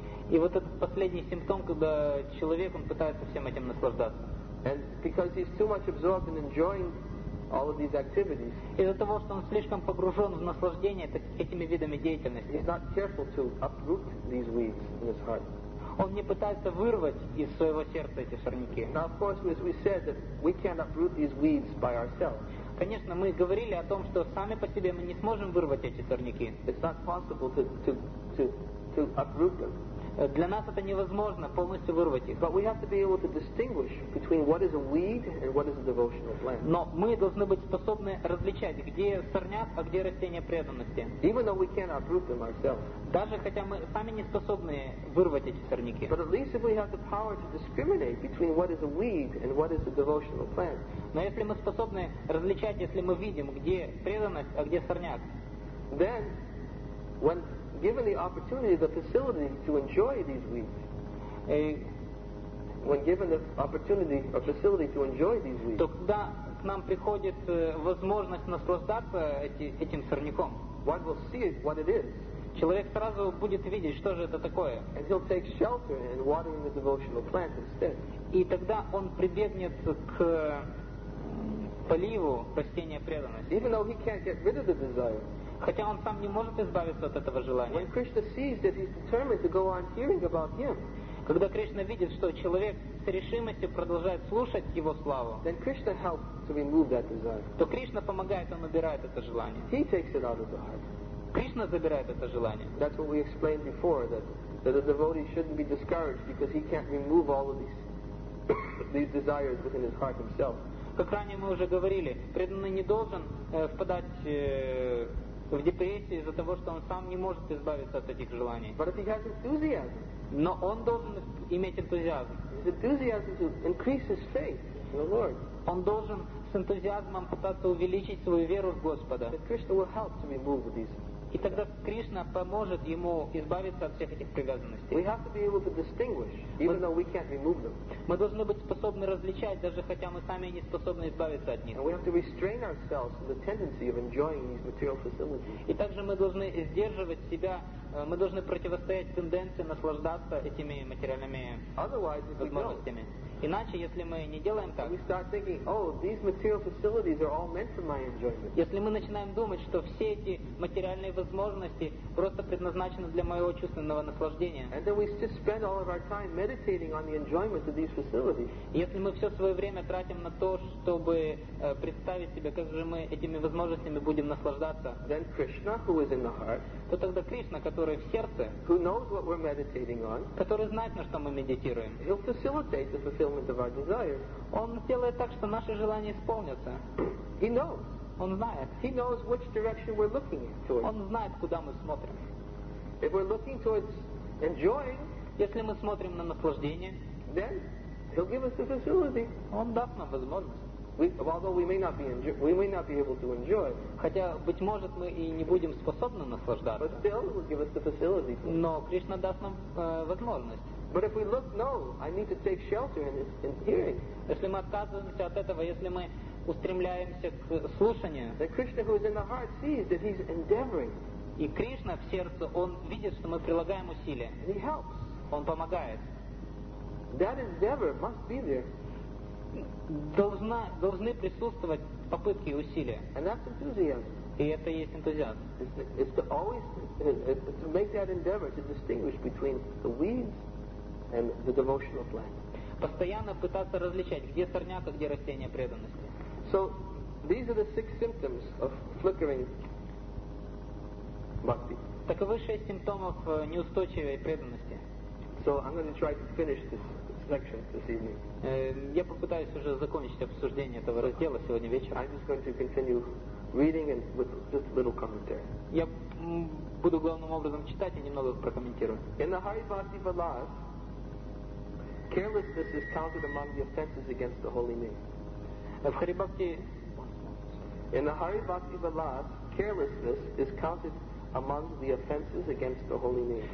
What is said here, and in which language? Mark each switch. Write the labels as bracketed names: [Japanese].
[Russian] И вот этот последний симптом, когда человек, он пытается всем этим наслаждаться. [English] And because he's too much absorbed in enjoying all of these activities. [Russian] Из-за того, что он слишком погружен в наслаждение этими видами деятельности. [English] He's not careful to uproot these weeds in his heart. [Russian] Он не пытается вырвать из своего сердца эти сорняки. [English] Now, of course, as we said, that we can't uproot these weeds by ourselves. [Russian] Конечно, мы говорили о том, что сами по себе мы не сможем вырвать эти сорняки. [English] It's not possible to uproot them. [Russian] Для нас это невозможно полностью вырвать их. [English] But we have to be able to distinguish between what is a weed and what is a devotional plant. [Russian] Но мы должны быть способны различать, где сорняк, а где растение преданности. [English] Even though we can't uproot them ourselves. [Russian] Даже хотя мы сами не способны вырвать эти сорняки. [English] But at least if we have the power to discriminate between what is a weed and what is a devotional plant. [Russian] Но если мы способны различать, если мы видим, где преданность, а где сорняк. [English] Then when given the opportunity, the facility to enjoy these weeds. When given the opportunity or facility to enjoy these weeds. [Russian] То когда к нам приходит возможность наслаждаться этим сорняком. [English] One will see what it is. [Russian] Человек сразу будет видеть, что же это такое. [English] And he'll take shelter in watering the devotional plant instead. [Russian] И тогда он прибегнет к поливу растения преданности. [English] Even though he can't get rid of the desire. [Russian] Хотя он сам не может избавиться от этого желания. [English] When Krishna sees that he's determined to go on hearing about him, [Russian] когда Кришна видит, что человек с решимостью продолжает слушать его славу, [English] then Krishna helps to remove that desire. [Russian] То Кришна помогает, он убирает это желание. [English] He takes it out of the heart. [Russian] Кришна забирает это желание. [English] That's what we explained before, that a devotee shouldn't be discouraged because he can't remove all of these desires within his heart himself. [Russian] Как ранее мы уже говорили, преданный не должен впадать в депрессии из-за того, что он сам не может избавиться от этих желаний. [English] But if he has enthusiasm, [Russian] но он должен иметь энтузиазм. [English] His enthusiasm to increase his faith in the Lord. [Russian] Он должен с энтузиазмом пытаться увеличить свою веру в Господа. [English] That Krishna will help to remove these. [Russian] И тогда Кришна поможет ему избавиться от всех этих привязанностей. [English] We have to be able to distinguish, even though we can't remove them. [Russian] Мы должны быть способны различать, даже хотя мы сами не способны избавиться от них. [English] And we have to restrain ourselves from the tendency of enjoying these material facilities. [Russian] И также мы должны сдерживать себя, мы должны противостоять тенденции наслаждаться этими материальными возможностями. Иначе, если мы не делаем так, [English] we start thinking, oh, these material facilities are all meant for my enjoyment. [Russian] Если мы начинаем думать, что все эти материальные возможности просто предназначены для моего чувственного наслаждения, [English] and then we just spend all of our time meditating on the enjoyment of these facilities. [Russian] Если мы все свое время тратим на то, чтобы представить себе, как же мы этими возможностями будем наслаждаться, [English] then Krishna, who is in the heart, [Russian] то тогда Кришна, который в сердце, [English] who knows what we're meditating on, [Russian] который знает, на что мы медитируем, [English] he'll facilitate the fulfillment of our desires. [Russian] Он сделает так, что наши желания исполнятся. [English] He knows. [Russian] Он знает. [English] He knows which direction we're looking towards. [Russian] Он знает, куда мы смотрим. [English] If we're looking towards enjoying, [Russian] если мы смотрим на наслаждение, [English] then he'll give us the facility. [Russian] Он даст нам возможность. [English] We may not be able to enjoy. [Russian] Хотя быть может мы и не будем способны наслаждаться. [English] But still, he'll give us the facility. [Russian] Но Кришна даст нам возможность. [English] But if we look, no, I need to take shelter in hearing. [Russian] Если мы отказываемся от этого, если мы устремляемся к слушанию, [English] then Krishna, who is in the heart, sees that he's endeavoring. [Russian] И Кришна в сердце, он видит, что мы прилагаем усилия. [English] And he helps. [Russian] Он помогает. [English] That endeavor must be there. [Russian] Должны присутствовать попытки и усилия. [English] And that's enthusiasm. [Russian] И это есть энтузиазм. [English] It's to always to make that endeavor to distinguish between the weeds and the devotional plant. [Russian] Постоянно пытаться различать, где сорняк, а где растение преданности. [English] So these are the six symptoms of flickering bhakti. [Russian] Таковы шесть симптомов неустойчивой преданности. [English] So I'm going to try to finish this section this evening. [Russian] Я попытаюсь уже закончить обсуждение этого раздела сегодня вечером. [English] I'm just going to continue reading and with just a little commentary. [Russian] Я буду главным образом читать и немного прокомментирую. [English] In the high bhakti valas, carelessness is counted among the offenses against the holy name. In the Hari Bhakti Vilas, carelessness is counted among the offenses against the holy name.